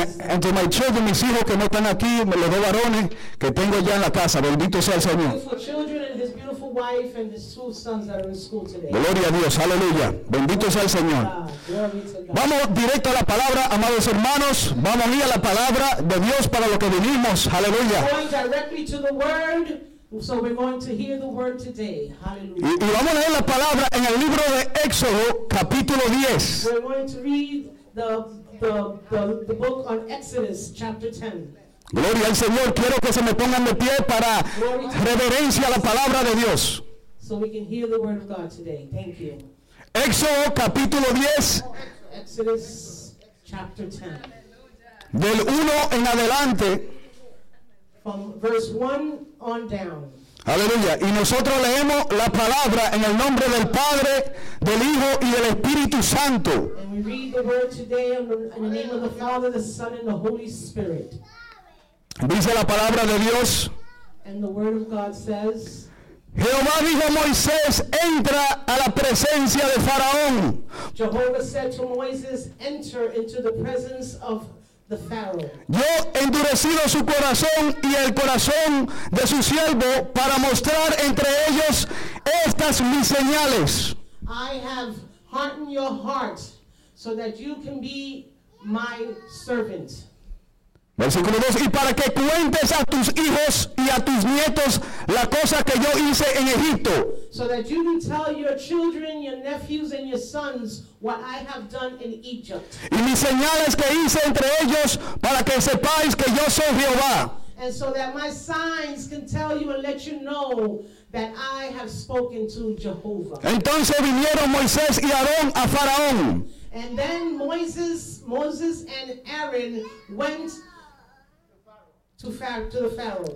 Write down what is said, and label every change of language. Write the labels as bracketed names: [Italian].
[Spanish] Entre [English] my children, [Spanish] mis hijos que no están aquí, los dos varones que tengo ya en la casa, bendito sea el Señor. Gloria a Dios, aleluya. Bendito sea el Señor. Vamos directo a la palabra, amados hermanos. Vamos a ir a la palabra de Dios para lo que vinimos, aleluya. [English] So we're going to hear the word today. Hallelujah. [Spanish] Y vamos a leer la palabra en el libro de Éxodo, capítulo 10. [English] We're going to read the book on Exodus, chapter 10. [Spanish] Gloria al Señor. Quiero que se me pongan de pie para reverencia a la palabra de Dios. [English] So we can hear the word of God today. Thank you. [Spanish] Éxodo, capítulo 10. [English] Exodus, chapter 10. [Spanish] Del 1 en adelante. [English] From verse 1. On down. [Spanish] Aleluya. Y nosotros leemos la palabra en el nombre del Padre, del Hijo y del Espíritu Santo. [English] And we read the word today in the name of the Father, the Son, and the Holy Spirit. [Spanish] Dice la palabra de Dios. [English] And the word of God says. [Spanish] Jehová dijo a Moisés, entra a la presencia de Faraón. [English] Jehovah said to Moses, enter into the presence of the Pharaoh. [Spanish] Yo he endurecido su corazón y el corazón de su siervo para mostrar entre ellos estas mis señales. [English] I have hearten your heart so that you can be my servant. [Spanish] Versículo 2, y para que cuentes a tus hijos y a tus nietos la cosa que yo hice en Egipto. [English] So that you can tell your children, your nephews, and your sons what I have done in Egypt. [Spanish] Y mis señales que hice entre ellos para que sepáis que yo soy Jehová. [English] And so that my signs can tell you and let you know that I have spoken to Jehovah. [Spanish] Entonces vinieron Moisés y Aarón a Faraón. [English] And then Moses and Aaron went to the Pharaoh.